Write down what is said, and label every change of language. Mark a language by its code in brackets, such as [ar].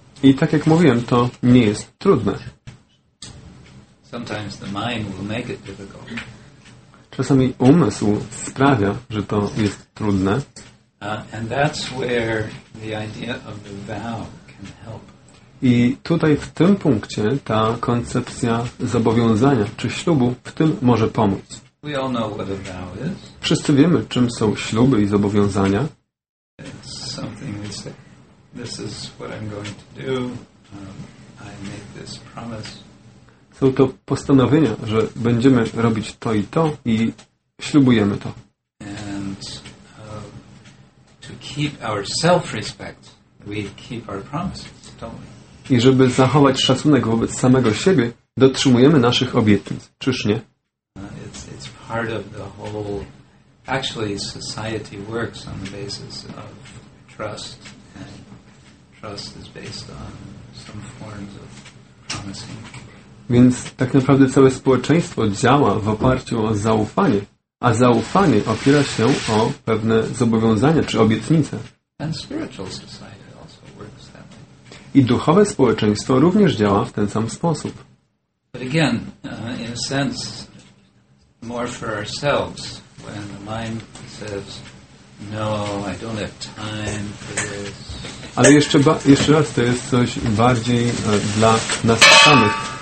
[pl] I tak jak mówiłem, to nie jest trudne. [en] Sometimes the mind will make it difficult. [pl] Czasami umysł sprawia, że to jest trudne. [en] And that's where the idea of the vow can help. [pl] I tutaj w tym punkcie ta koncepcja zobowiązania czy ślubu w tym może pomóc. [en] We all know what a vow is. [pl] Wszyscy wiemy, czym są śluby i zobowiązania. [en] It's something we say, this is what I'm going to do. I make this promise. [pl] Są to postanowienia, że będziemy robić to i to i Ślubujemy to. [en] And to keep our self-respect, we keep our promises, don't we? [pl] I żeby zachować szacunek wobec samego siebie, dotrzymujemy naszych obietnic. Czyż nie? [en] It's part of the whole. Actually, society works on the basis of trust, and trust is based on some forms of promising. [pl] Więc tak naprawdę całe społeczeństwo działa w oparciu o zaufanie, a zaufanie opiera się o pewne zobowiązania czy obietnice. [en] And spiritual society also works that way. [pl] I duchowe społeczeństwo również działa w ten sam sposób. [en] But again, in a sense, more for ourselves. When the mind says, "No, I don't have time for this." [pl] Ale jeszcze raz, to jest coś bardziej dla nas samych.